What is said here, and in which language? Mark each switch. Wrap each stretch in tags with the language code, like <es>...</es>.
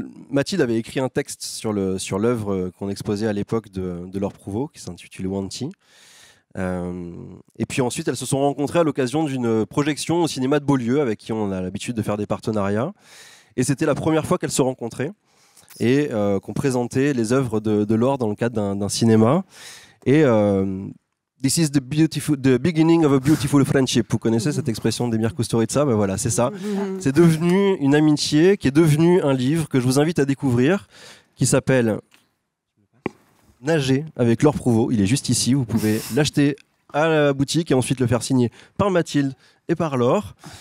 <fr>Mathilde avait écrit un texte sur l'œuvre qu'on exposait à l'époque de Laure Prouveau qui s'intitule Wanty. Et puis ensuite, elles se sont rencontrées à l'occasion d'une projection au cinéma de Beaulieu avec qui on a l'habitude de faire des partenariats. Et c'était la première fois qu'elles se rencontraient et qu'on présentait les œuvres de Laure dans le cadre d'un cinéma.</fr> <en>Et This is the beginning of a beautiful friendship.</en> <fr>Vous connaissez cette expression d'Emir Kusturica? Ben voilà, c'est ça. C'est devenu une amitié qui est devenue un livre que je vous invite à découvrir, qui s'appelle Nager avec Laure Prouveau. Il est juste ici. Vous pouvez l'acheter à la boutique et ensuite le faire signer par Mathilde et par Laure.</fr>